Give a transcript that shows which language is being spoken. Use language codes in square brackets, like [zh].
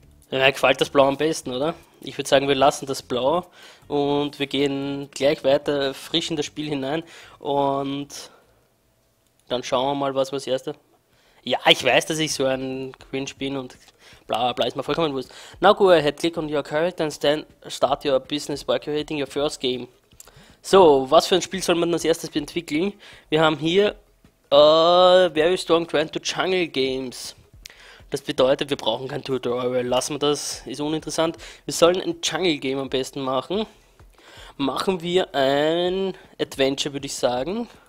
[de] Ja, mir gefällt das Blau am besten, oder? Ich würde sagen, wir lassen das Blau und wir gehen gleich weiter frisch in das Spiel hinein und dann schauen wir mal, was Erste. Ja, ich weiß, dass ich so ein Cringe bin und bla bla, ist mir vollkommen wurscht. [en] Now go ahead, click on your character and then start your business by creating your first game. [de] So, was für ein Spiel soll man als Erstes entwickeln? Wir haben hier [en] Very Strong Trend to Jungle Games. [de] Das bedeutet, wir brauchen kein Tutorial. Lassen wir das, ist uninteressant. Wir sollen ein Jungle Game am besten machen. Machen wir ein Adventure, würde ich sagen.